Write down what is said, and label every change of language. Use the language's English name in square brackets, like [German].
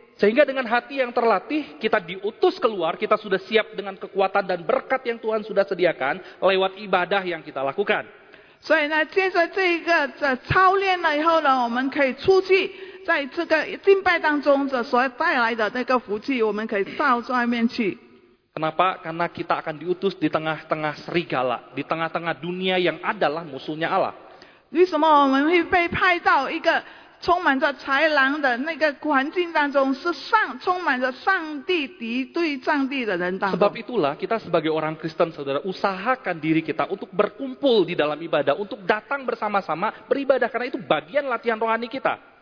[Indonesian] Sehingga dengan hati yang terlatih, kita diutus keluar, kita sudah siap dengan kekuatan dan berkat yang Tuhan sudah sediakan lewat ibadah yang kita lakukan. [Chinese] 所以呢，接着这一个操练了以后呢，我们可以出去，在这个敬拜当中所带来的那个福气，我们可以到外面去。 [Indonesian] Kenapa? Karena kita akan diutus di tengah-tengah serigala, di tengah-tengah dunia yang adalah musuhnya Allah. [Chinese] 为什么我们会被派到一个充满着豺狼的那个环境当中，是上充满着上帝敌对上帝的人当中？ [Indonesian] Sebab itulah kita sebagai orang Kristen, saudara, usahakan diri kita untuk berkumpul di dalam ibadah, untuk datang bersama-sama beribadah, karena itu bagian latihan rohani kita.